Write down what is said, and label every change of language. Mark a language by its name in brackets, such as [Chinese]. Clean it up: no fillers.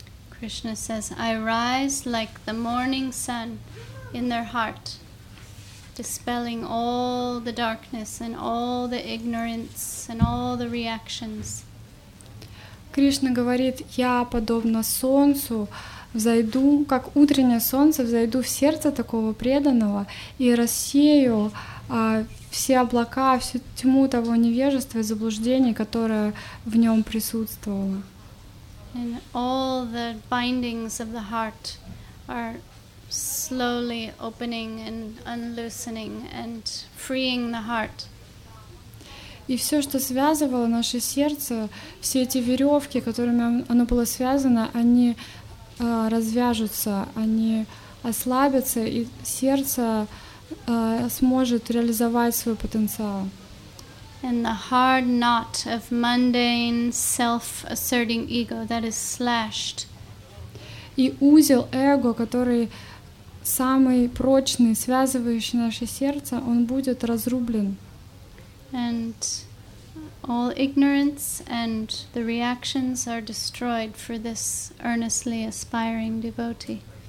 [English] Krishna says, I rise like the morning sun in their heart, dispelling all the darkness and all the ignorance and all the reactions. [Russian] Кришна говорит, я подобно солнцу взойду, как утреннее солнце взойду в сердце такого преданного и рассею все облака, всю тьму того невежества и заблуждений, которое в нем присутствовало. [English] And all the bindings of the heart are slowly opening and unloosening and freeing the heart. [Russian] И все, что связывало наше сердце, все эти веревки, которыми оно было связано, они развяжутся, они ослабятся, и сердце сможет реализовать свой потенциал. [English] And the hard knot of mundane self-asserting ego that is slashed. [Russian] И узел эго, который самый прочный, связывающий наше сердце, он будет разрублен. [English] And all ignorance and the reactions are destroyed for this earnestly aspiring devotee.